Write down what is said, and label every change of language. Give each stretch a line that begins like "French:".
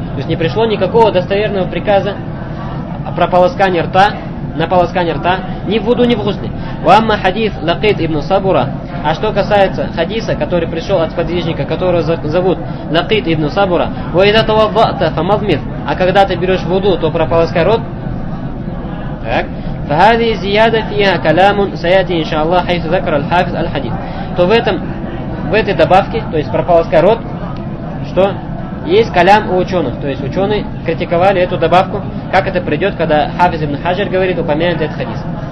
Russian: То есть не пришло никакого достоверного приказа про полоскание рта, на полоскание рта, ни в вуду, ни в гусле.
Arabic: «Уамма хадис Лакит ибн Сабура»,
Russian: а что касается хадиса, который пришел от подвижника, которого зовут Лакит ибн Сабура,
Arabic: «Ва иза таваддаа фамадмид»,
Russian: а когда ты берешь в вуду, то прополоскай рот. Так.
Arabic: فهذه زيادة فيها كلام سيأتي إن شاء الله حيث ذكر الحافظ الحديث.
Russian: То в этой добавке, то есть прополоскай рот, что есть калям у ученых, то есть ученые критиковали эту добавку, как это придет, когда Хафиз ибн Хаджар говорит, упомянет этот хадис.